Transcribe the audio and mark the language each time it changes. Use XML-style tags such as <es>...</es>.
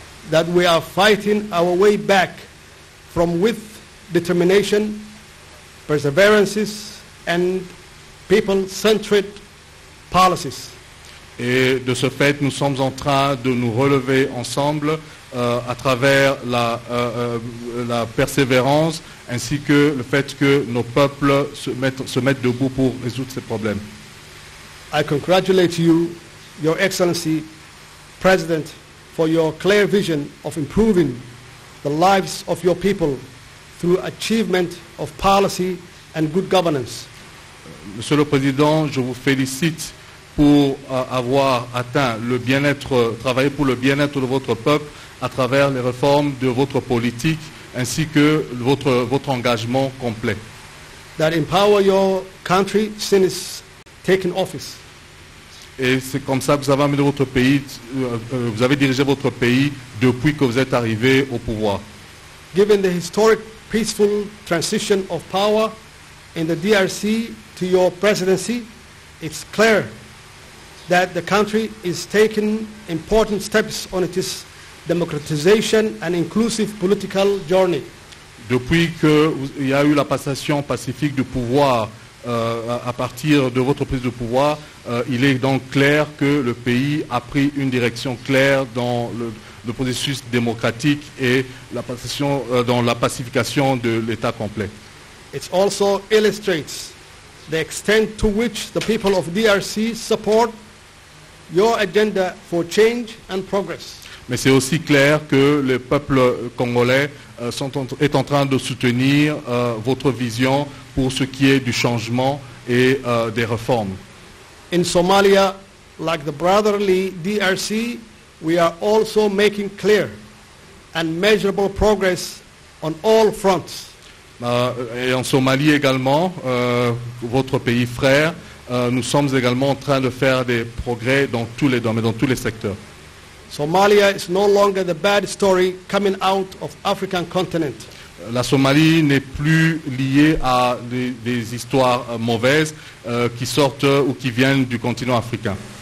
<en>That we are fighting our way back from with determination, perseverances and people-centered policies.</en> <fr>Et de ce fait, nous sommes en train de nous relever ensemble à travers la persévérance ainsi que le fait que nos peuples se mettent debout pour résoudre ces problèmes.</fr> <en>I congratulate you, Your Excellency, President, for your clear vision of improving the lives of your people through achievement of policy and good governance.</en> <fr>Monsieur le Président, je vous félicite pour avoir atteint le bien-être, travailler pour le bien-être de votre peuple à travers les réformes de votre politique ainsi que votre engagement complet.</fr> <en>That empower your country since taking office.</en> <fr>Et c'est comme ça que vous avez amené votre pays, vous avez dirigé votre pays depuis que vous êtes arrivé au pouvoir.</fr> <en>Given the historic peaceful transition of power in the DRC to your presidency, it's clear that the country is taking important steps on its democratization and inclusive political journey.</en> <fr>Depuis qu'il y a eu la passation pacifique du pouvoir, à partir de votre prise de pouvoir, il est donc clair que le pays a pris une direction claire dans le processus démocratique et la passation, dans la pacification de l'État complet.</fr> <en>It also illustrates the extent to which the people of DRC support your agenda for change and progress.</en> <fr>Mais c'est aussi clair que le peuple congolais est en train de soutenir votre vision pour ce qui est du changement et des réformes.</fr> <en>In Somalia, like the brotherly DRC, we are also making clear and measurable progress on all fronts.</en> <fr>Et en Somalie également, votre pays frère, nous sommes également en train de faire des progrès dans tous les domaines, dans tous les secteurs.</fr> <en>Somalia is no longer the bad story coming out of African continent.</en> <fr>La Somalie n'est plus liée à des histoires mauvaises qui sortent ou qui viennent du continent africain.</fr>